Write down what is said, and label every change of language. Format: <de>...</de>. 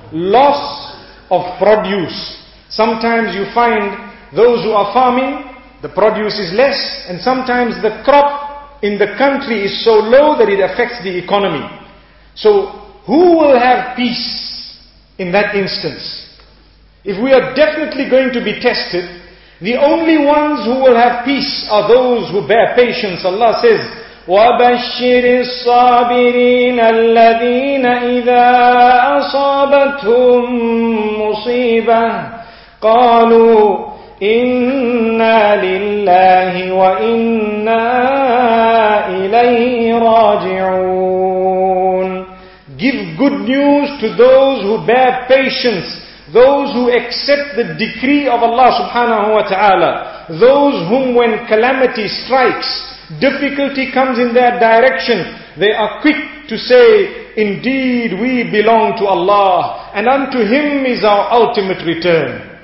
<en>Loss of produce. Sometimes you find those who are farming, the produce is less, and sometimes the crop in the country is so low that it affects the economy. So who will have peace in that instance? If we are definitely going to be tested, the only ones who will have peace are those who bear patience. Allah says,</en> <ar>وَبَشِّرِ الصَّابِرِينَ الَّذِينَ إِذَا أَصَابَتْهُمْ مُصِيبَةٌ قَالُوا إِنَّا لِلَّهِ وَإِنَّا إِلَيْهِ رَاجِعُونَ.</ar> <en>Give good news to those who bear patience, those who accept the decree of Allah subhanahu wa ta'ala, those whom when calamity strikes, difficulty comes in their direction, they are quick to say, indeed we belong to Allah, and unto Him is our ultimate return.</en>